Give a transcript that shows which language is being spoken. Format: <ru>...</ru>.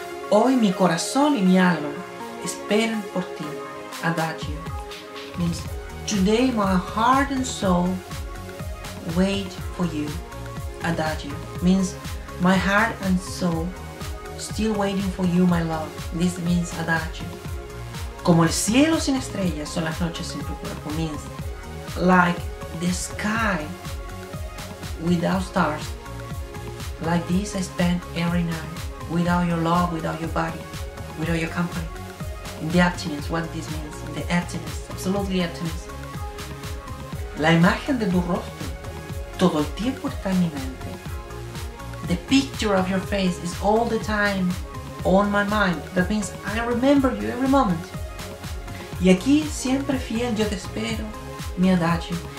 <es>Hoy mi corazón y mi alma esperan por ti.</es> <en>Adagio means today my heart and soul wait for you, Adagio. Means my heart and soul still waiting for you, my love. This means Adagio.</en> <es>Como el cielo sin estrellas son las noches sin tu cuerpo.</es> <en>Means like the sky without stars. Like this I spend every night. Without your love, without your body, without your company. In the emptiness, what this means. In the emptiness, absolutely emptiness.</en> <es>La imagen de tu rostro, todo el tiempo está en mi mente.</es> <en>The picture of your face is all the time on my mind. That means I remember you every moment.</en> <es>Y aquí siempre fiel yo te espero, mi adagio.</es>